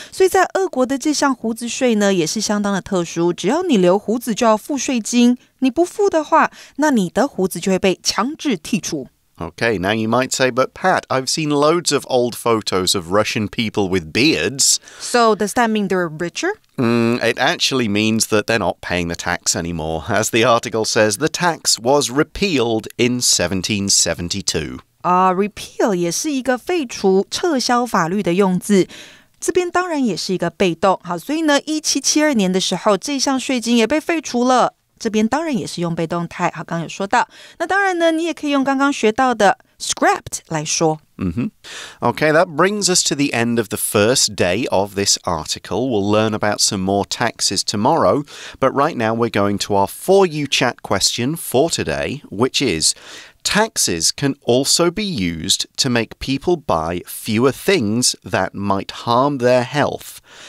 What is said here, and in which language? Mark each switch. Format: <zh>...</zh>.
<zh>所以在俄国的这项胡子税呢，也是相当的特殊，只要你留胡子就要付税金，你不付的话，那你的胡子就会被强制剃除。</zh> <en>Okay, now you might say, but Pat, I've seen loads of old photos of Russian people with beards. So does that mean they're richer? It actually means that they're not paying the tax anymore. As the article says, the tax was repealed in 1772.</en> <zh>Repeal 也是一个废除、撤销法律的用字。这边当然也是一个被动。好，所以呢，1772年的时候，这项税金也被废除了。这边当然也是用被动态，好，刚刚有说到。那当然呢，你也可以用刚刚学到的 scrapped 来说。</zh> <en>Okay, that brings us to the end of the first day of this article. We'll learn about some more taxes tomorrow. But right now we're going to our For You chat question for today, which is, taxes can also be used to make people buy fewer things that might harm their health.</en>